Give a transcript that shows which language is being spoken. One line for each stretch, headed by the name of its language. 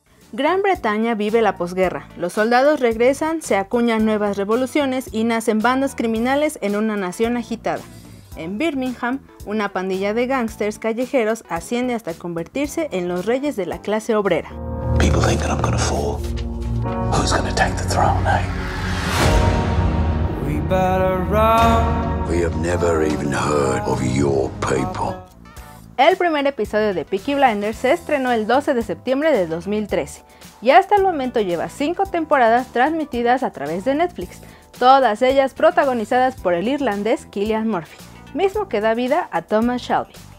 Spanish: Gran Bretaña vive la posguerra. Los soldados regresan, se acuñan nuevas revoluciones y nacen bandas criminales en una nación agitada. En Birmingham, una pandilla de gángsters callejeros asciende hasta convertirse en los reyes de la clase obrera.
English: People think that I'm gonna fall. Who's gonna take the throne, eh? We better run. We have never even heard of your people.
Spanish: El primer episodio de Peaky Blinders se estrenó el 12 de septiembre de 2013 y hasta el momento lleva 5 temporadas transmitidas a través de Netflix, todas ellas protagonizadas por el irlandés Cillian Murphy, mismo que da vida a Thomas Shelby.